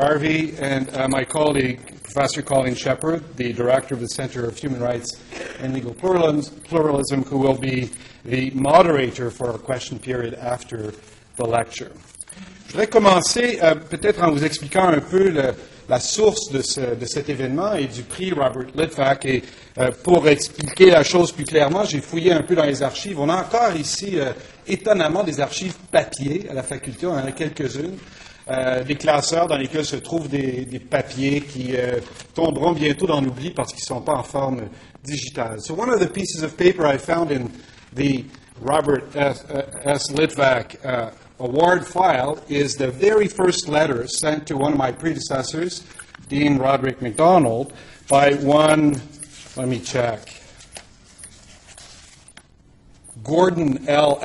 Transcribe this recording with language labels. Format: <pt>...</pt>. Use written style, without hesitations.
<en>Harvey and my colleague, Professor Colleen Shepherd, the director of the Center of Human Rights and Legal Pluralism, who will be the moderator for our question period after the lecture.</en> <fr>Je voudrais commencer peut-être en vous expliquant un peu la source de cet événement et du prix Robert Litvak. Et pour expliquer la chose plus clairement, j'ai fouillé un peu dans les archives. On a encore ici, étonnamment, des archives papier à la faculté. On en a quelques-unes. Des classeurs dans lesquels se trouvent des papiers qui tomberont bientôt dans l'oubli parce qu'ils ne sont pas en forme digitale.</fr> <en>So one of the pieces of paper I found in the Robert S. Litvak Award file is the very first letter sent to one of my predecessors, Dean Roderick MacDonald, by one, let me check, Gordon L.</en>